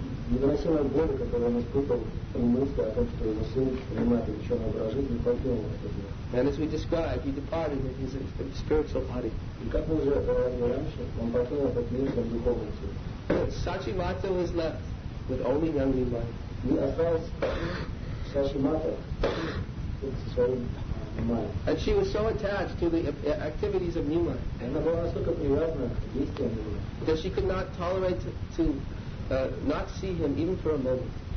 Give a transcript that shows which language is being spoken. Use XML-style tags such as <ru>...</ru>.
<ru>Невыносимая боль, которую он испытывал, при мысли о том, что его сын принимает еще на образ жизни, покинул этот мир.</ru> <en>And as we described, he departed in his spiritual body.</en> <ru>И как мы уже говорили раньше, он покинул этот мир в духовном теле.</ru> <en>Сачимата was left with only young Nimai.</en> <ru>И осталась Сачимата со своим Nimai.</ru> <en>And she was so attached to the activities of Nimai.</en> <ru>Она была настолько привязана к действиям Nimai.</ru> <en>That she could not tolerate to not see him even for a moment.</en>